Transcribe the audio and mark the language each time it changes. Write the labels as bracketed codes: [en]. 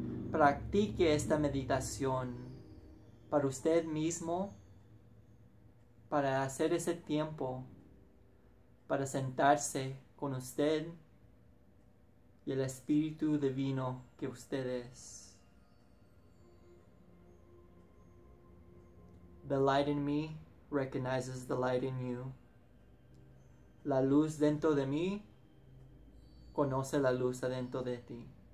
[es] Practique esta meditación para usted mismo, para hacer ese tiempo, para sentarse con usted y el Espíritu Divino que usted es. [en] The light in me recognizes the light in you. [es] La luz dentro de mí conoce la luz adentro de ti.